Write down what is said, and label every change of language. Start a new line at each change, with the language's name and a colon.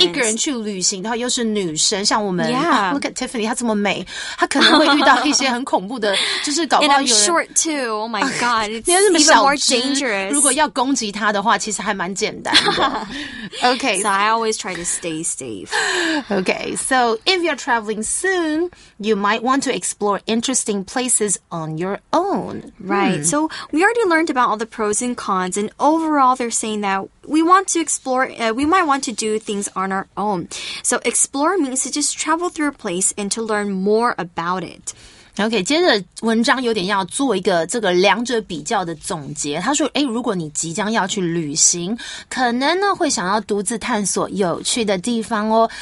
Chinese: 一个人去旅行的话又是女生像我们、 yeah.
English: Look at Tiffany
Chinese: 她这么美她可能会遇到一些很恐怖的就是搞不好有人
English: And I'm short too Oh my god It's even more dangerous
Chinese: 如果要攻击她的话其实还蛮简单的 OK
English: So I always try to stay safe OK So if you're traveling soon You might want to explore interesting places on your own Right、So we already learned about all the pros and cons And overall they're saying thatWe want to explore, we might want to do things on our own. So explore means to just travel through a place and to learn more about it.
Chinese: OK, 接着文章有点要做一个这个两者比较的总结。他说诶如果你即将要去旅行可能呢会想要独自探索有趣的地方哦。